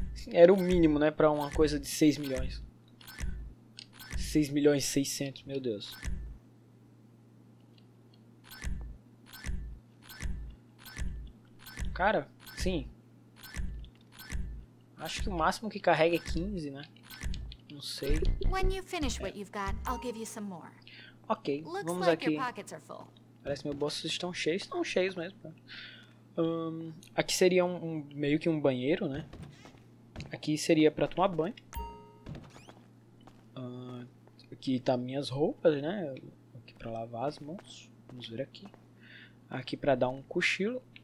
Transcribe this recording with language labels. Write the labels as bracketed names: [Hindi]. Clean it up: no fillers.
[Portuguese] Era o mínimo, né? Pra uma coisa de 6 milhões. 6 milhões e 600, meu Deus. Cara, sim. Acho que o máximo que carrega é 15, né? Não sei. [English] When you finish what you've got, I'll give you some more. [Portuguese] Ok, vamos aqui. Parece que meus bolsos estão cheios. Estão cheios mesmo. Aqui seria um meio que um banheiro, né? Aqui seria pra tomar banho. Aqui tá minhas roupas, né? Aqui pra lavar as mãos. Vamos ver aqui. Aqui pra dar um cochilo.